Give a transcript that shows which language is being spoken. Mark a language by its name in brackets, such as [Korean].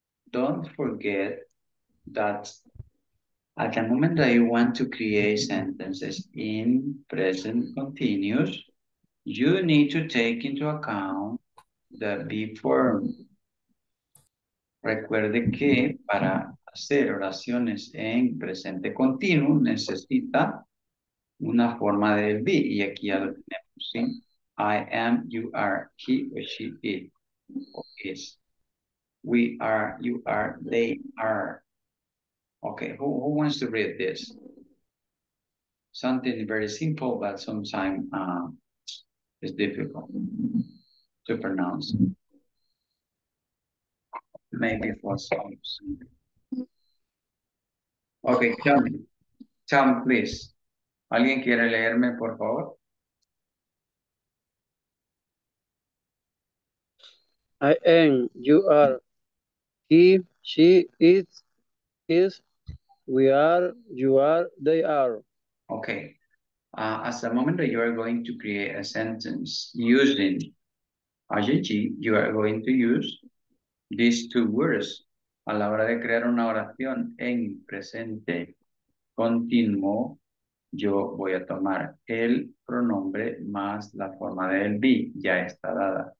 [English] Don't forget that at the moment that you want to create sentences in present continuous, you need to take into account the be form. [Spanish] Recuerde que para hacer oraciones en presente continuo necesita una forma del be, y aquí ya lo tenemos, ¿sí? [English] I am, you are, he or she is, or is. We are, you are, they are. Okay, who wants to read this? Something very simple, but sometimes it's difficult to pronounce. Maybe for some. Okay, tell me, please. [Spanish] ¿Alguien quiere leerme, por favor? [English] I am, you are, he, she, it, is, we are, you are, they are. Okay. At the moment that you are going to create a sentence using ing, you are going to use these two words. [Spanish] A la hora de crear una oración en presente continuo, yo voy a tomar el pronombre más la forma del be, ya está dada.